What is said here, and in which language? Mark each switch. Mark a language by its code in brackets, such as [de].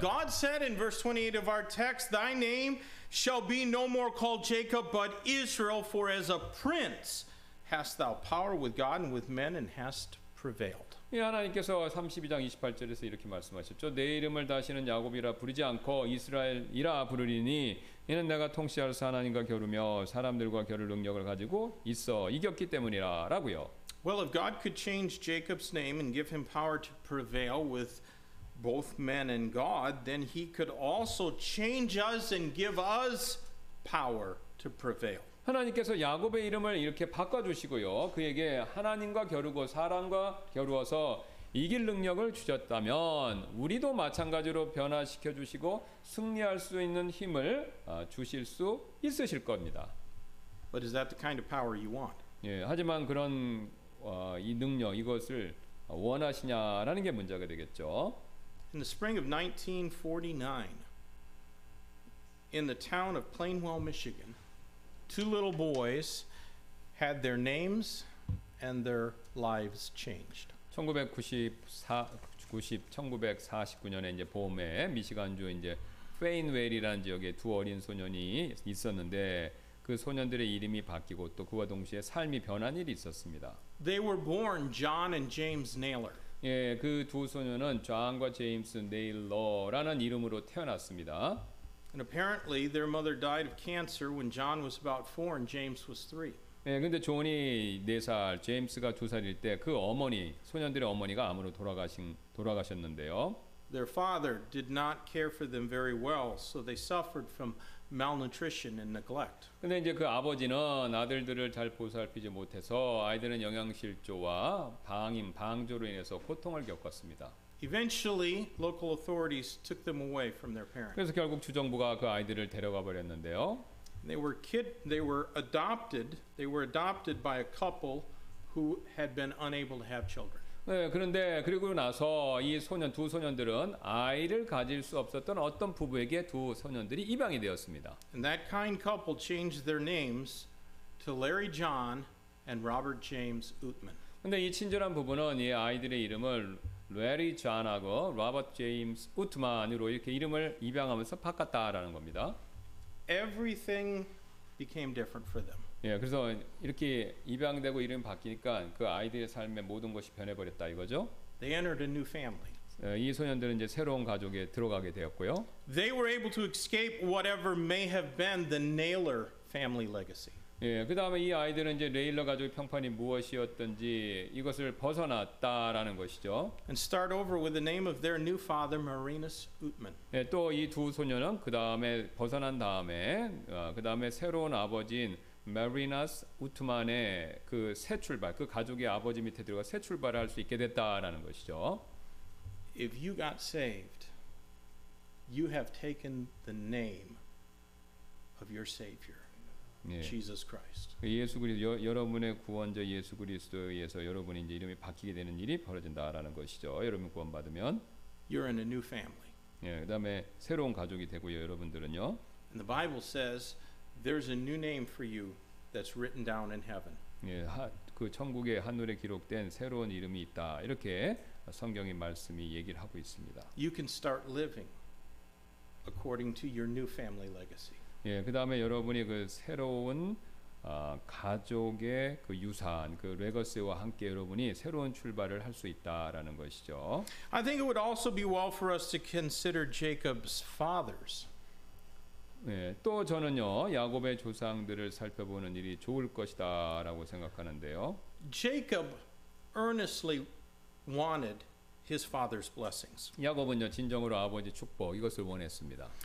[en] God said in verse 28 of our text, Thy name shall be no more called Jacob, but Israel, for as a prince hast thou power with God and with men, and hast prevailed. [ko] 예, 하나님께서 32장 28절에서 이렇게 말씀하셨죠. 내 이름을 다시는 야곱이라 부르지 않고 이스라엘이라 부르리니 이는 내가 통치하여서 하나님과 겨루며 사람들과 겨룰 능력을 가지고 있어 이겼기 때문이라 라고요. [en] Well, if God could change Jacob's name and give him power to prevail with both men and God, then he could also change us and give us power to prevail. [ko] 하나님께서 야곱의 이름을 이렇게 바꿔주시고요 그에게 하나님과 겨루고 사람과 겨루어서 이길 능력을 주셨다면 우리도 마찬가지로 변화시켜 주시고 승리할 수 있는 힘을 주실 수 있으실 겁니다. [en] But is that the kind of power you want? [ko] 예, 하지만 그런 이 능력 이것을 원하시냐라는 게 문제가 되겠죠. [en] In the spring of 1949, in the town of Plainwell, Michigan, two little boys had their names and their lives changed. [ko] 1949년에 이제 봄에 미시간주 이제 페인웰이라는 지역에 두 어린 소년이 있었는데 그 소년들의 이름이 바뀌고 또 그와 동시에 삶이 변한 일이 있었습니다. [en] They were born John and James Naylor. [ko] 예, 그 두 소년은 존과 제임스 네일러라는 이름으로 태어났습니다. [en] And apparently their mother died of cancer when John was about 4 and James was 3. [ko] 예, 근데 존이 네 살, 제임스가 두 살일 때 그 어머니, 소년들의 어머니가 암으로 돌아가셨는데요. [en] Their father did not care for them very well, so they suffered from malnutrition and neglect. [ko] 근데 이제 그 아버지는 아들들을 잘 보살피지 못해서 아이들은 영양실조와 방임방조로 인해서 고통을 겪었습니다. [en] Eventually, local authorities took them away from their parents. [ko] 그래서 결국 주정부가 그 아이들을 데려가 버렸는데요. [en] They were adopted by a couple who had been unable to have children. [ko] 네, 그런데 그리고 나서 이 소년 두 소년들은 아이를 가질 수 없었던 어떤 부부에게 두 소년들이 입양이 되었습니다. [en] And that kind couple changed their names to Larry John and Robert James Oetman. [ko] 근데 이 친절한 부부는 이 아이들의 이름을 레리 존하고 로버트 제임스 우트만으로 이렇게 이름을 입양하면서 바꿨다라는 겁니다. [en] Everything became different for them. [ko] 예, 그래서 이렇게 입양되고 이름이 바뀌니까 그 아이들의 삶의 모든 것이 변해버렸다 이거죠. [en] They entered a new family. [ko] 이 소년들은 이제 새로운 가족에 들어가게 되었고요. [en] They were able to escape whatever may have been the Naylor family legacy. [ko] 예, 그다음에 이 아이들은 이제 레일러 가족의 평판이 무엇이었던지 이것을 벗어났다라는 것이죠. [en] And start over with the name of their new father, Marinus Oetman. [ko] 예, 또 이 두 소년은 그다음에 벗어난 다음에 그다음에 새로운 아버지인 마리너스 우트만의 그 새 출발, 그 가족의 아버지 밑에 들어가 새 출발을 할 수 있게 됐다라는 것이죠. [en] If you got saved, you have taken the name of your savior. Jesus Christ. [ko] 예수 그리스도 여러분의 구원자 예수 그리스도에 의해서 여러분의 이제 이름이 바뀌게 되는 일이 벌어진다라는 것이죠. 여러분 구원받으면 [en] you're in a new family. [ko] 예, 그다음에 새로운 가족이 되고요, 여러분들은요. [en] And the Bible says there's a new name for you that's written down in heaven. [ko] 예, 그 천국의 하늘에 기록된 새로운 이름이 있다. 이렇게 성경의 말씀이 얘기를 하고 있습니다. [en] You can start living according to your new family legacy. [ko] 예, 그다음에 여러분이 그 새로운 가족의 그 유산, 그 레거시와 함께 여러분이 새로운 출발을 할 수 있다라는 것이죠. [en] I think it would also be well for us to consider Jacob's fathers. [ko] 예, 또 저는요. 야곱의 조상들을 살펴보는 일이 좋을 것이다라고 생각하는데요. [en] Jacob earnestly wanted his father's blessings. [ko] 야곱은요 진정으로 아버지 축복 이것을 원했습니다.